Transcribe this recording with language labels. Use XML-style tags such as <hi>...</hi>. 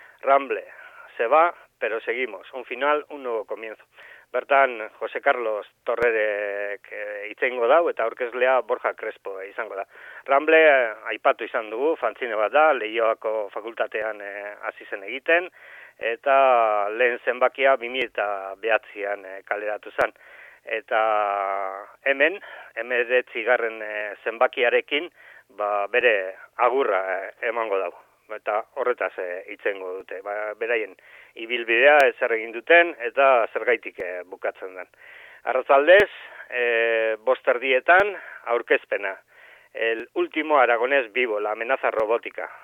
<es>Ramble, se va, pero seguimos. Un final, un nuevo comienzo.</es> <eu>Bertan, Jose Carlos Torrerek itzengo dau, eta aurkezlea Borja Crespo izango da. Ramble, aipatu izan dugu, fantzine bat da, Leioako fakultatean hasi zen egiten, eta lehen zenbakia 2009an kaleratu zen. Eta hemen, 19. zenbakiarekin, bere agurra emango dago. Eta horretaz itzengo dute. Beraien ibilbidea zer egin duten eta zergaitik bukatzen den. Arratzaldez, 5:30 aurkezpena.</eu> <es>El último aragonés vivo, la amenaza robótica.</es>